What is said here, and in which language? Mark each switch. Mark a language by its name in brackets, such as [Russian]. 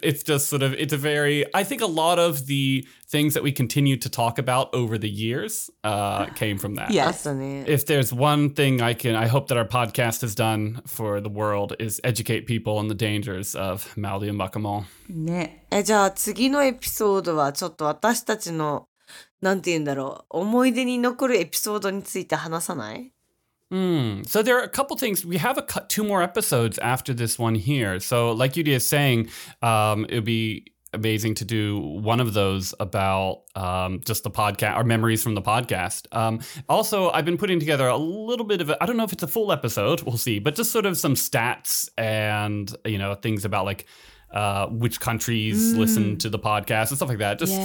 [English] It's just sort of, it's a very, I think a lot of the things that we continue to talk about over the years came from that. Yes. If there's one thing I hope that our podcast has done for the world is educate people on the dangers of Mal de Embarquement. [Japanese] ね。え、じゃあ次のエピソードはちょっと私たちのなんて言うんだろう思い出に残るエピソードについて話さない？ [English] Mm. So there are a couple things. We have two more episodes after this one here. So like Yuria is saying, it would be amazing to do one of those about just the podcast, our memories from the podcast. Also, I've been putting together a little bit of a, I don't know if it's a full episode, we'll see, but just sort of some stats and, you know, things about like, which countries listen to the podcast and stuff like that. Just yeah.